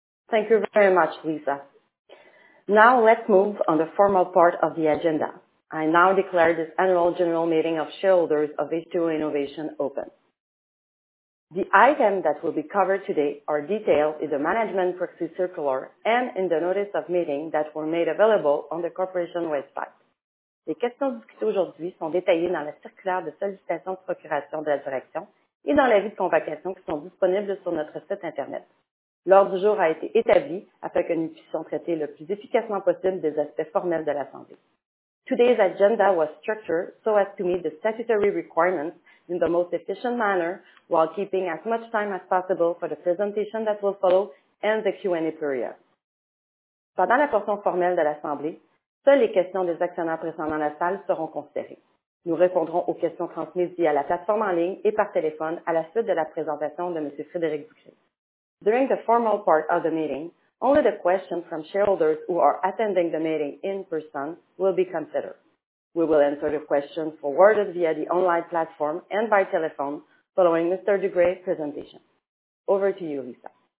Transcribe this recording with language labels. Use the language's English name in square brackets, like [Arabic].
[English] Thank you very much, Lisa. Now let's move on the formal part of the agenda. I now declare this annual general meeting of shareholders of H2O Innovation open. The items that will be covered today are detailed in the Management Proxy Circular and in the notice of meeting that were made available on the corporation website. [French] Les questions discutées aujourd'hui sont détaillées dans la circulaire de sollicitation de procuration de la direction et dans l'avis de convocation qui sont disponibles sur notre site Internet. L'ordre du jour a été établi afin que nous puissions traiter le plus efficacement possible des aspects formels de l'Assemblée. Today's agenda was structured so as to meet the statutory requirements in the most efficient manner while keeping as much time as possible for the presentation that will follow and the Q&A period. Pendant la portion formelle de l'Assemblée, seules les questions des actionnaires présents dans la salle seront considérées. Nous répondrons aux questions transmises via la plateforme en ligne et par téléphone à la suite de la présentation de M. Frédéric Ducret. [English] During the formal part of the meeting, only the questions from shareholders who are attending the meeting in person will be considered. We will answer the questions forwarded via the online platform and by telephone following Mr. Ducret's presentation. Over to you, Lisa.